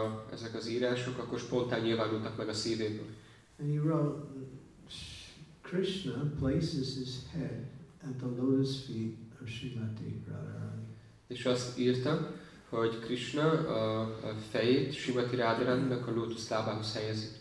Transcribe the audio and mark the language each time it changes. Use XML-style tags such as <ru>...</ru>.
<hu>Ezek az írások akkor spontán nyilvánultak meg a szívéből.</hu> <en>And he wrote, Krishna places his head at the lotus feet of Srimati Radharani.</en> <hu>És azt írta, hogy Krishna a fejét Srimati Radharaninak a lótusz lábához helyezi.</hu>